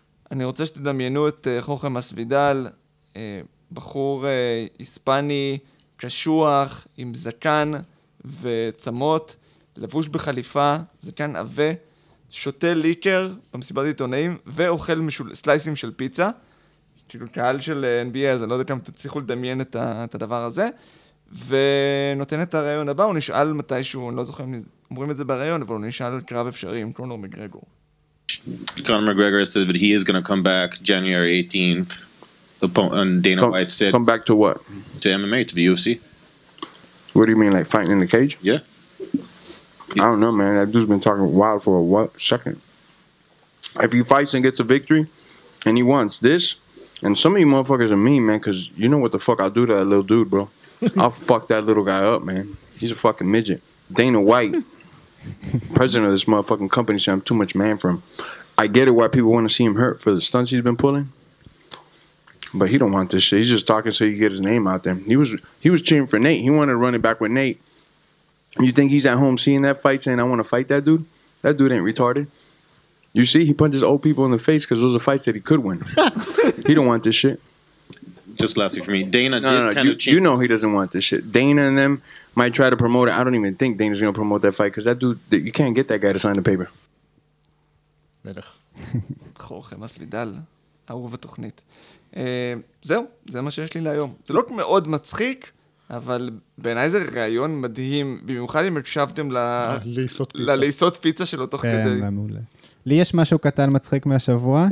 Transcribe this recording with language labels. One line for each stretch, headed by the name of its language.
Hebrew: אני רוצה שתדמיינו את חורחה מס וידל, בחור היספני, קשוח, עם זקן וצמות, לבוש בחליפה, זקן עווה, שותה ליקר במסיבת עיתונאים, ואוכל סלייסים של פיצה. כאילו קהל של NBA, אז אני לא יודע כמה תצליחו לדמיין את הדבר הזה. ונותן את הרעיון הבא, הוא נשאל מתישהו, אני לא זוכר אם אומרים את זה ברעיון, אבל הוא נשאל על קרב אפשרי עם קונור מגרגור.
English: קונור מגרגור said that he is going to come back January 18th. On Dana White said... Come back to what? To MMA, to the UFC. What do you mean, like fighting in the cage? Yeah. I don't know, man. That dude's been talking wild for a second. If he fights and gets a victory, and he wants this, and some of you motherfuckers are mean, man, because you know what the fuck I'll do to that little dude, bro. I'll fuck that little guy up, man. He's a fucking midget. Dana White, president of this motherfucking company, said I'm too much man for him. I get it why people want to see him hurt for the stunts he's been pulling. But he don't want this shit. He's just talking so he can get his name out there. He was cheering for Nate. He wanted to run it back with Nate. You think he's at home seeing that fight, saying, I want to fight that dude? That dude ain't retarded. You see, he punches old people in the face because those are fights that he could win. He don't want this shit. Just lastly for me, Dana did kind of change. You know he doesn't want this shit. Dana and them might try to promote it. I don't even think Dana's going to promote that fight because that dude, you can't get that guy to sign the paper.
Hebrew: מלך. חורחה מסוידל, אהוב התוכנית. זהו, זה מה שיש לי להיום. זה לא מאוד מצחיק, אבל בעיניי זה רעיון מדהים, במיוחד אם הקשבתם לליסות פיצה שלו תוך כדי. כן, מעולה. לי יש משהו קטן מצחיק מהשבוע.